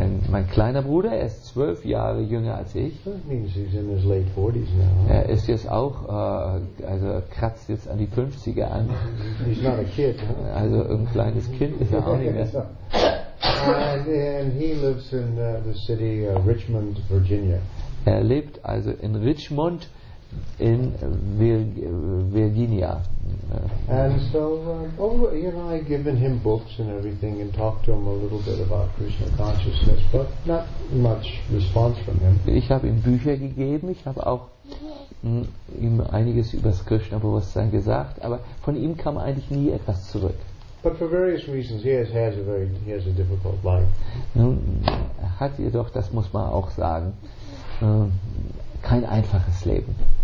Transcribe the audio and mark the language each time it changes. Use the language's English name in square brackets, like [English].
[German] Mein kleiner Bruder, er ist 12 Jahre jünger als ich. [English] That means he's in his late 40s now. [German] Er ist jetzt auch, also kratzt jetzt an die 50er an. [English] He's not a kid, huh? [German] Also ein kleines Kind ist er auch nicht mehr. [English] And he lives in the city of Richmond, Virginia. [German] Er lebt also in Richmond in Virginia. [English] And so I given him books and everything and talked to him a little bit about Krishna consciousness, but not much response from him. [German] Ich habe ihm Bücher gegeben, ich habe auch ihm einiges über das Krishna-Bewusstsein gesagt, aber von ihm kam eigentlich nie etwas zurück. [English] But for various reasons, he has a difficult life. [German] Nun hat er doch, das muss man auch sagen, kein einfaches Leben.